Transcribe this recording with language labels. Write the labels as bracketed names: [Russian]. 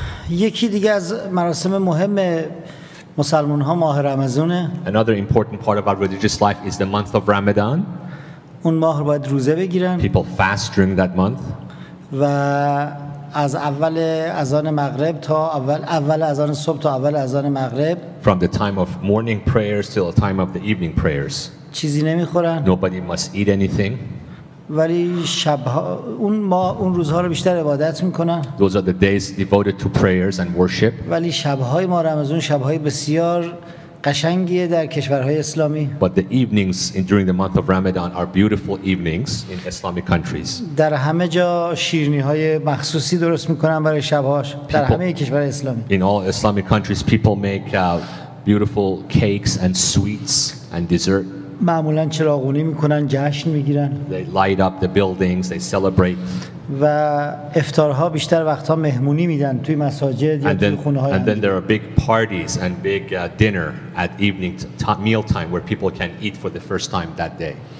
[Persian] یکی دیگه از مراسم مهم مسلمان‌ها ماه رمضانه. [English] Another important part of our religious life is the month of Ramadan. [Persian] اون ماه رو باید روزه بگیرن. [English] People fast during that month. [Persian] و از اول اذان مغرب تا اول اذان صبح تا اول اذان مغرب. [English] From the time of morning prayers till the time of the evening prayers. [Persian] چیزی نمیخورن. [English] Nobody must eat anything. [Persian] ولی شبها اون ما اون روزها رو بیشتر عبادت میکنن. [English] Those are the days devoted to prayers and worship. [Persian] ولی شبهای ما رمضان شبهای بسیار قشنگیه در کشورهای اسلامی. [English] But the evenings during the month of Ramadan are beautiful evenings in Islamic countries. [Persian] در همه جا شیرینی‌های مخصوصی درست میکنن برای شبهاش در همه کشور اسلامی. [English] In all Islamic countries people make beautiful cakes and sweets and dessert. [Persian] معمولاً چراغونی میکنن، جشن میگیرن. [English] They light up the buildings, they celebrate. [Persian] و افطارها بیشتر وقتها مهمونی میدن توی مساجد یا توی خونه های. [English] And then there are big parties and big dinner at evening meal time where people can eat for the first time that day.